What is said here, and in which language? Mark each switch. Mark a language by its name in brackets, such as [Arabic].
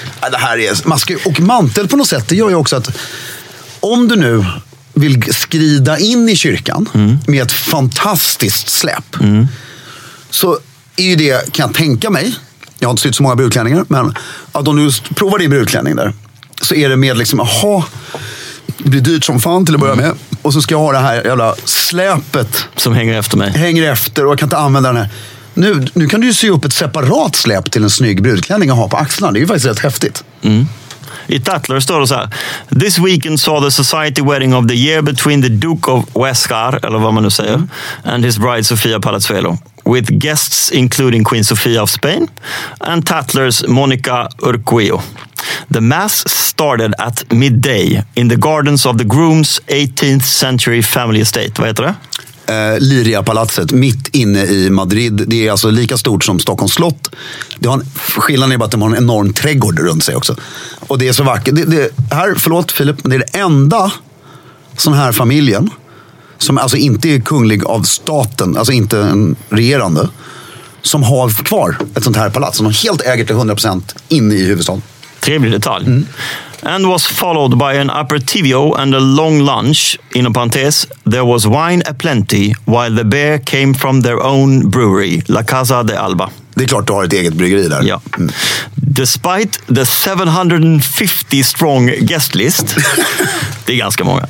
[Swedish] Det här är maske och mantel på något sätt. Det gör ju också att om du nu vill skrida in i kyrkan med ett fantastiskt släp, så är ju det, kan jag tänka mig, jag har inte sett så många brudklänningar, men att om du provar din brudklänning där, så är det med liksom, aha, det blir dyrt som fan till att börja med, och så ska jag ha det här jävla släpet som hänger efter mig, hänger efter, och jag kan inte använda den här. Nu kan du ju sy upp ett separat släp till en snygg brudklänning att ha på axlarna. Det är ju faktiskt rätt häftigt. Mm. I Tatler står det så här: [English] This weekend saw the society wedding of the year between the Duke of Huescar, [Swedish] eller vad man nu säger, [English] and his bride Sofia Palazzuolo, with guests including Queen Sofia of Spain and Tatler's Monica Urquijo. The mass started at midday in the gardens of the groom's 18th century family estate. [Swedish] Vad heter det? Liria-palatset mitt inne i Madrid. Det är alltså lika stort som Stockholms slott. Det har en, skillnaden är bara att de har en enorm trädgård runt sig också. Och det är så vackert. Här, förlåt Filip, men det är det enda sån här familjen som alltså inte är kunglig av staten, alltså inte en regerande, som har kvar ett sånt här palats som de helt äger till 100% inne i huvudstaden. Trevlig detalj. Mm. [English] And was followed by an aperitivo and a long lunch. In a parentheses, there was wine aplenty while the beer came from their own brewery, La Casa de Alba. [Swedish] Det är klart du har ett eget bryggeri där. Ja. Mm. [English] Despite the 750 strong guest list, [Swedish] det är ganska många.